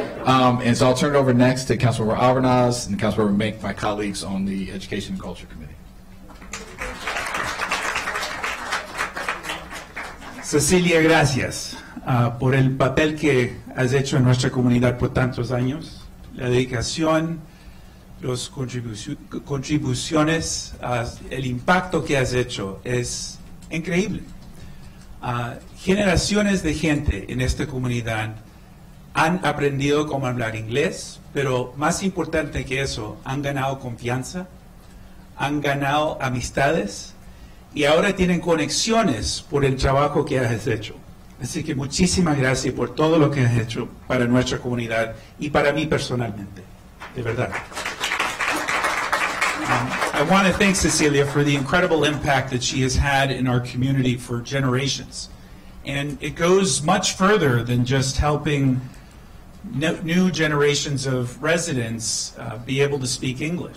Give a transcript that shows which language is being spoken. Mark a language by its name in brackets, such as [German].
[English] And so I'll turn it over next to Councilmember Albernaz and Councilmember Mink, my colleagues on the Education and Culture Committee. [Spanish] Cecilia, gracias por el papel que has hecho en nuestra comunidad por tantos años. La dedicación, las contribuciones, el impacto que has hecho es increíble. Generaciones de gente en esta comunidad han aprendido cómo hablar inglés, pero más importante que eso, han ganado confianza, han ganado amistades, y ahora tienen conexiones por el trabajo que has hecho. Así que muchísimas gracias por todo lo que has hecho para nuestra comunidad y para mí personalmente. De verdad. [English] I want to thank Cecilia for the incredible impact that she has had in our community for generations. And it goes much further than just helping new generations of residents be able to speak English.